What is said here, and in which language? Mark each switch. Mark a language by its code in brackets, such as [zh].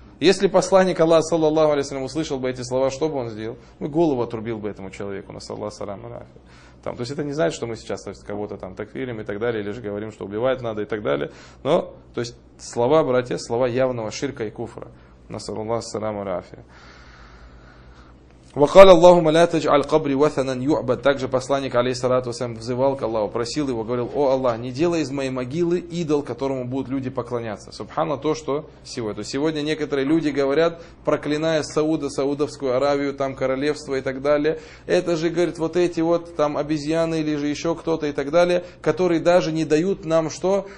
[ru] Если посланник Аллаха, саллаллаху алейхи ва саллям, услышал бы эти слова, что бы он сделал? Мы голову отрубил бы этому человеку, на саллаллаху алейхи ва саллям. То есть это не значит, что мы сейчас то есть, кого-то там такфирим и так далее, или же говорим, что убивать надо и так далее. Но, то есть слова, братья, слова явного ширка и куфра, на саллаллаху алейхи ва саллям. [ar] وقال اللهم لا تجعل قبري وثنا يعبد. [ru] Также посланник алейхиссалату ва саллям взывал к Аллаху, просил его, говорил: «О Аллах, не делай из моей могилы идол, которому будут люди поклоняться». Субхана то, что сегодня. То есть сегодня некоторые люди говорят, проклиная Сауда, Саудовскую Аравию, там королевство и так далее. Это же, говорит, вот эти вот там обезьяны или же еще кто-то и так далее, которые даже не дают нам что?